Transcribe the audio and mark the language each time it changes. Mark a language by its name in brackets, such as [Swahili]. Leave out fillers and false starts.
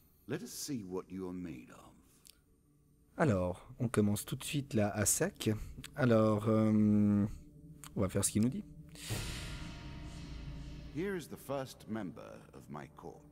[English] Let us see what you are made of. [French] Alors, on commence tout de suite là à sec. Alors, on va faire ce qu'il nous dit. [English] Here is the first member of my court,